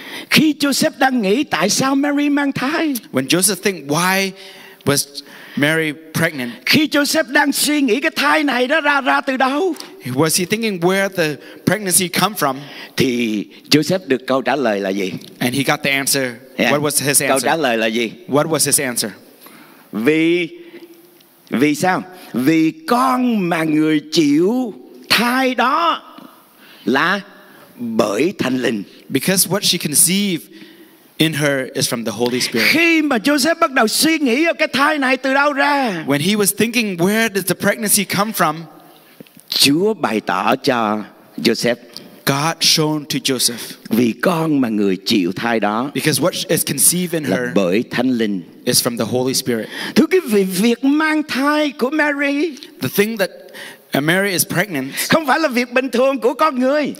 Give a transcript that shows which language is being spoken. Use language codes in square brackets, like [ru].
[vi] Khi Joseph đang nghĩ tại sao Mary mang thai. [en] When Joseph think why was Mary pregnant. [vi] Khi Joseph đang suy nghĩ cái thai này đó ra từ đâu. [en] Was he thinking where the pregnancy come from. [vi] Thì Joseph được câu trả lời là gì. [en] And he got the answer. Yeah. What was his answer. [vi] Câu trả lời là gì. [en] What was his answer. [vi] Vì sao. Vì con mà người chịu thai đó là bởi thánh linh. [en] Because what she conceived in her is from the Holy Spirit. [vi] Khi mà Joseph bắt đầu suy nghĩ ở cái thai này từ đâu ra. [en] When he was thinking where did the pregnancy come from. [vi] Chúa bày tỏ cho Joseph. [en] God shown to Joseph. [vi] Vì con mà người chịu thai đó. [en] Because what is conceived in her. [vi] Là bởi thánh linh. [en] Is from the Holy Spirit. [vi] Thưa quý vị, việc mang thai của Mary. [en] The thing that and Mary is pregnant. [vi] Không phải là việc bình thường của con người.